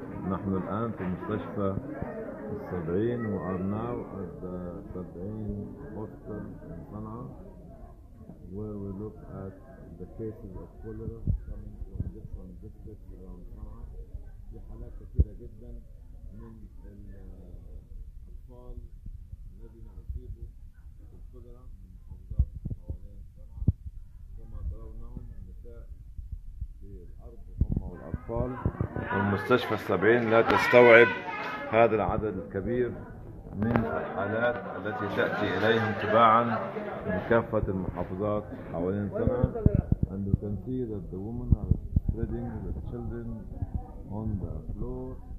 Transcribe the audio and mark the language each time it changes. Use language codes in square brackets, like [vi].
[ar] نحن الآن في مستشفى السبعين وأرناو السبعين أكثر من صنعاء. [en] Where we look at the cases of cholera coming from different districts around صنعاء. [ar] في حالات كثيرة جدا من الأطفال الذين أصيبوا بالكوليرا من محافظات حوالين صنعاء. كما ترونهم النساء في الأرض هم والأطفال. المستشفى السبعين لا تستوعب هذا العدد الكبير من الحالات التي تأتي إليهم تباعا من كافة المحافظات حوالين صنعاء. [en] And you can see that the women are spreading the children on the floor.